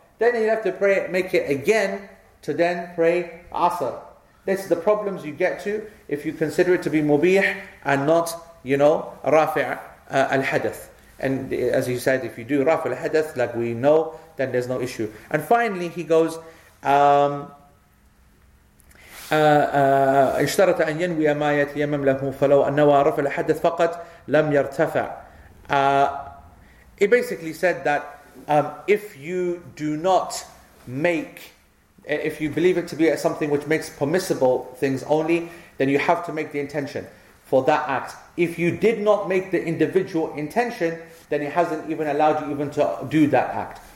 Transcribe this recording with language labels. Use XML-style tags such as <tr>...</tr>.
<en>Then he'd have to pray, make it again to then pray asr. This is the problems you get to if you consider it to be mubih and not, you know, rafi' al-hadith. And as you said, if you do raf al-hadith, like we know, then there's no issue. And finally, he goes,</en> <ar>اشترط أن ينوي ما يتيمم له فلو أنوى رفع الحدث فقط لم يرتفع.</ar> <en>He basically said that if you do not make, if you believe it to be something which makes permissible things only, then you have to make the intention for that act. If you did not make the individual intention, then it hasn't even allowed you even to do that act.</en>